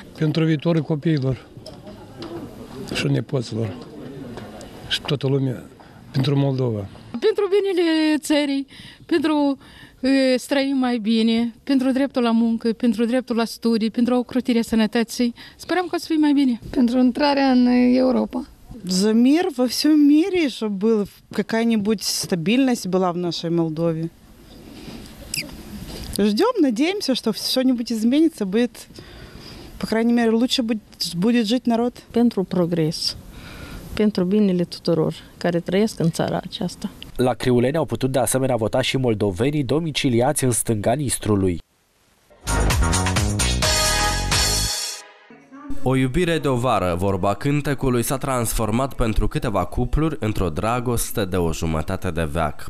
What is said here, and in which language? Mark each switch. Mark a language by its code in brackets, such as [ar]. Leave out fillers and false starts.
[ro] Pentru viitorul copiilor și nepoților și toată lumea, pentru Moldova. Pentru binele țării, pentru să trăim mai bine, pentru dreptul la muncă, pentru dreptul la studii, pentru ocrotirea sănătății. Sperăm că o să fie mai bine. Pentru intrarea în Europa. [ru] За мир во всем мире, чтобы была какая-нибудь стабильность была в нашей Молдове. Ждем, надеемся, что что-нибудь изменится, будет, по крайней мере, лучше будет жить народ. [ro] Pentru progres, pentru binele tuturor care trăiesc în țara aceasta. La Criuleni au putut de asemenea vota și moldovenii domiciliați în stânga Nistrului. O iubire de o vară, vorba cântecului, s-a transformat pentru câteva cupluri într-o dragoste de o jumătate de veac.